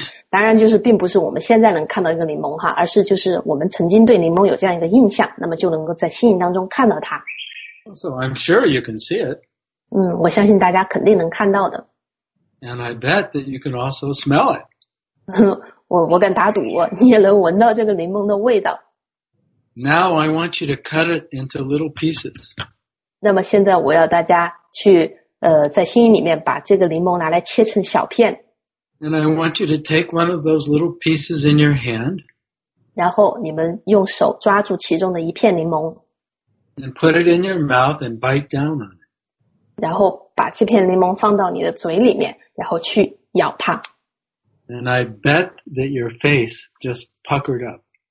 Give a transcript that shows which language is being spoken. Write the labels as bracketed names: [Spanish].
[Chinese] 当然就是并不是我们现在能看到一个柠檬哈，而是就是我们曾经对柠檬有这样一个印象，那么就能够在心意当中看到它。 [English] So I'm sure you can see it. [Chinese] 我相信大家肯定能看到的。 [English] And I bet that you can also smell it. [Chinese] 我敢打赌，你也能闻到这个柠檬的味道。 [English] Now I want you to cut it into little pieces. [Chinese] 那么现在我要大家去在心里面把这个柠檬拿来切成小片。 [English] And I want you to take one of those little pieces in your hand. [Chinese] 然后你们用手抓住其中的一片柠檬。 [English] And put it in your mouth and bite down on it. [Chinese] 然后把这片柠檬放到你的嘴里面。然后去咬它。 [English] And I bet that your face just puckered up.